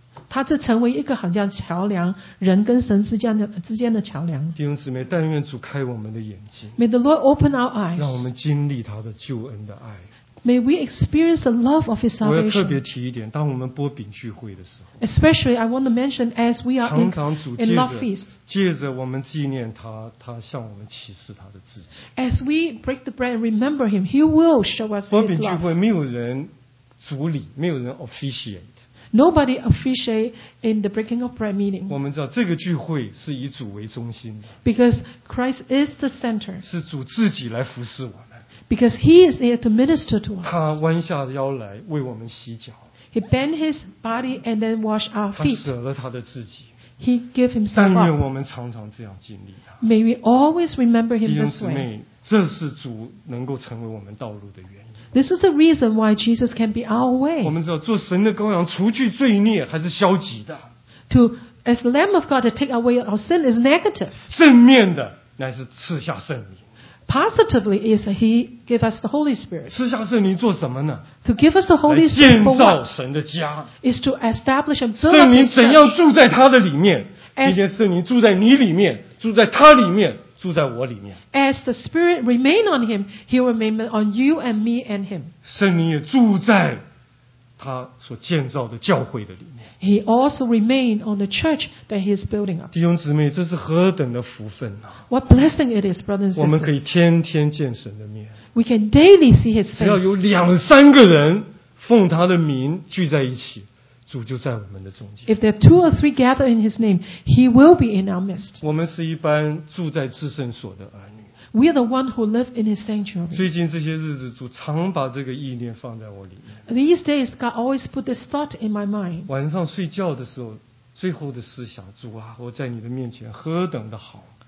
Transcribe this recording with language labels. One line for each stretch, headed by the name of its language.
Chinese: 他这成为一个好像桥梁，人跟神之间的桥梁。弟兄姊妹，但愿主开我们的眼睛。
English: May the Lord open our eyes.
Chinese: 让我们经历他的救恩的爱。
English: May we experience the love of His salvation.
Chinese: 我要特别提一点，当我们擘饼聚会的时候。
English: Especially, I want to mention as we are in love feast.
Chinese: 借着我们纪念他，他向我们启示他的自己。
English: As we break the bread and remember Him, He will show us His love.
Chinese: 擘饼聚会没有人。主礼没有人 officiate.
English: Nobody officiate in the breaking of bread meeting.
Chinese: 我们知道这个聚会是以主为中心。
English: Because Christ is the center.
Chinese: 是主自己来服侍我们。
English: Because He is there to minister to us.
Chinese: 他弯下腰来为我们洗脚。
English: He bent His body and then washed our feet.
Chinese: 他舍了他的自己。
English: He gave Himself up.
Chinese: 但愿我们常常这样经历他。
English: May we always remember Him this way.
Chinese: 弟兄姊妹，这是主能够成为我们道路的原因。
English: This is the reason why Jesus can be our way.
Chinese: 我们知道做神的羔羊除去罪孽还是消极的。
English: To as the Lamb of God to take away our sin is negative.
Chinese: 正面的乃是赐下圣灵。
English: Positively is that He gave us the Holy Spirit.
Chinese: 赐下圣灵做什么呢？
English: To give us the Holy Spirit.
Chinese: 来建造神的家。
English: Is to establish and build His church.
Chinese: 圣灵怎样住在他的里面？今天圣灵住在你里面，住在他里面，住在我里面。
English: As the Spirit remain on him, he will remain on you and me and him.
Chinese: 圣灵也住在他所建造的教会的里面。
English: He also remained on the church that he is building up.
Chinese: 弟兄姊妹，这是何等的福分啊！
English: What blessing it is, brothers and sisters.
Chinese: 我们可以天天见神的面。
English: We can daily see his face.
Chinese: 只要有两三个人奉他的名聚在一起，主就在我们的中间。
English: If there are two or three gathered in his name, he will be in our midst.
Chinese: 我们是一般住在至圣所的儿女。
English: We are the one who live in his sanctuary.
Chinese: 最近这些日子，主常把这个意念放在我里面。
English: These days, God always put this thought in my mind.
Chinese: 晚上睡觉的时候，最后的思想，主啊，我在你的面前何等的好。